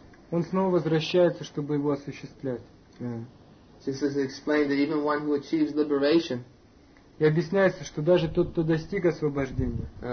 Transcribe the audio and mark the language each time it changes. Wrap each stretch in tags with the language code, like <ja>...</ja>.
<ru>Он снова возвращается, чтобы его осуществлять. Yeah.</ru> <en>Just as explained, that even one who achieves liberation.</en> <ru>И объясняется, что даже тот, кто достиг освобождения,</ru>